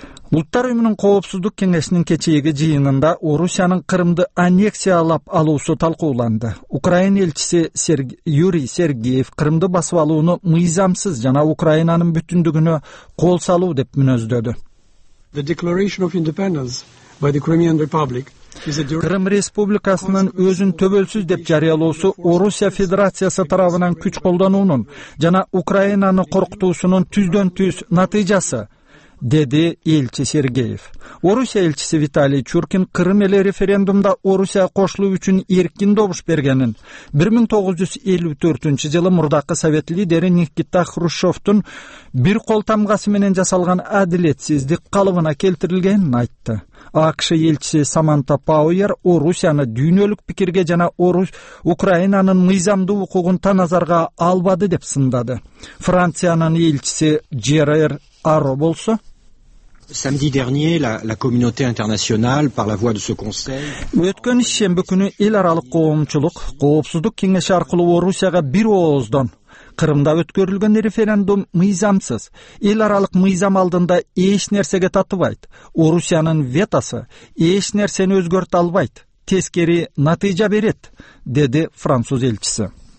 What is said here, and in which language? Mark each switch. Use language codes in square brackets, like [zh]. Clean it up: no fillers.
[ky] Улуттар уюмунун коопсуздук кеңешинин кечээки жыйынында Орусиянын Кырымды аннексиялап алуусу талкууланды. Украина элчиси Юрий Сергеев Кырымды басып алууну мыйзамсыз жана Украинанын бүтүндүгүнө кол салуу деп мүнөздөдү. [en] The Declaration of Independence by the Crimean Republic. [ky] Кырым Республикасынын өзүн төбөлсүз деп жарыялоосу Орусия Федерациясы тарабынан күч колдонуунун жана Украинаны коркутуусунун түздөн түз натыйжасы, деди элчи Сергеев. Орусия элчиси Виталий Чуркин Кырым эле референдумда Орусия кошулуу үчүн эркин добуш бергенин 1954 жылы мурдакы совет лидери Никита Хрущевтун бир кол тамгасы менен жасалган адилетсиздик калыбына келтирилгенин айтты. АКШ элчиси Саманта Пауэр Орусияны дүйнөлүк пикирге жана Украинанын мыйзамдуу укугун таназарга албады деп сындады. Франциянын элчиси Жерар Аро болсо [fr] Samedi dernier, la communauté internationale, par la voix de ce conseil... [ky] Өткөн ишембе күнү эл аралык коомчулук, коопсуздук кеңеши аркылуу Орусияга бир ооздон. Кырымда өткөрүлгөн референдум мыйзамсыз. Эл аралык мыйзам алдында эч нерсеге татыбайт. Орусиянын ветосу эч нерсени өзгөртө албайт. Тескери натыйжа берет, деди француз элчиси.